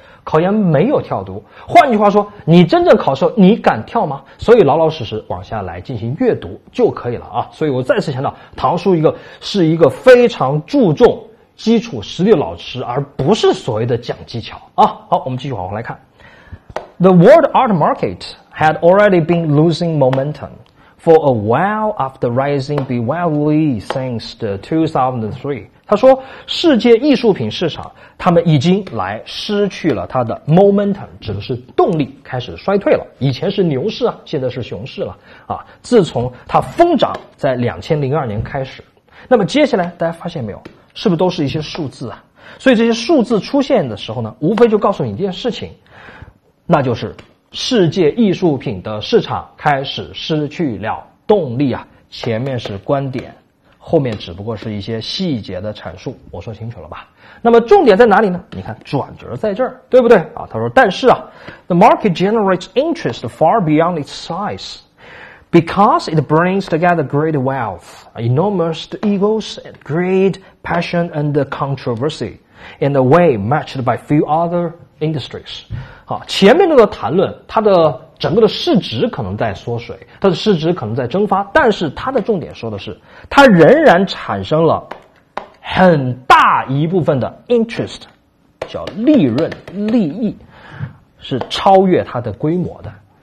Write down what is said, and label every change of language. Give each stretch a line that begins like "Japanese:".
Chinese: 考研没有跳读，换句话说，你真正考试你敢跳吗？所以老老实实往下来进行阅读就可以了啊。所以我再次强调，唐叔是一个非常注重基础实力老师，而不是所谓的讲技巧啊。好，我们继续往后来看。
English: The world art market had already been losing momentum for a while after rising bewildly since the 2003。
Chinese: 他说世界艺术品市场他们已经来失去了他的 momentum， 指的是动力，开始衰退了。以前是牛市啊，现在是熊市了啊。自从他疯涨在2002年开始，那么接下来大家发现没有，是不是都是一些数字啊？所以这些数字出现的时候呢，无非就告诉你一件事情，那就是世界艺术品的市场开始失去了动力啊。前面是观点，后面只不过是一些细节的阐述，我说清楚了吧。那么重点在哪里呢？你看转折在这儿，对不对啊？他说但是啊，
English: The market generates interest far beyond its size because it brings together great wealth, enormous egos, great passion and controversy in a way matched by few other industries。
Chinese: 好，前面那个谈论它的整个的市值可能在缩水，它的市值可能在蒸发，但是它的重点说的是它仍然产生了很大一部分的 interest， 叫利润利益，是超越它的规模的。